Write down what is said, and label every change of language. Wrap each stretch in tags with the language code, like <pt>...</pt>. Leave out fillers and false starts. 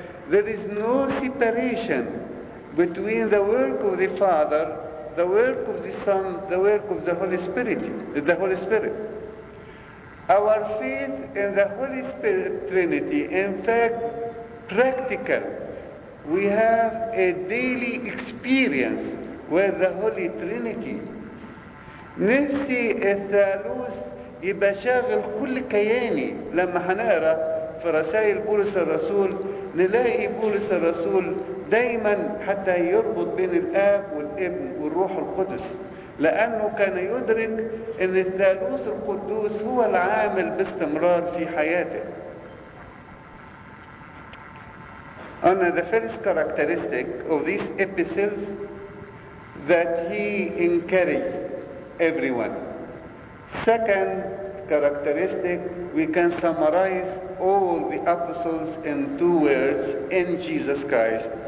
<en>There is no separation between the work of the Father, the work of the Son, the work of the Holy Spirit. Our faith in the Holy Spirit Trinity, in fact, practical. We have a daily experience with the Holy Trinity.</en> <ar>نفسي الثالوث يبقى شاغل كل كياني. لما هنقرا في رسائل بولس الرسول نلاقي بولس الرسول دايما حتى يربط بين الاب والابن والروح القدس، لانه كان يدرك ان الثالوث القدوس هو العامل باستمرار في حياته.</ar> <en>On the first characteristic of these epistles that he encouraged everyone. Second characteristic, we can summarize all the apostles in two words, in Jesus Christ.</en>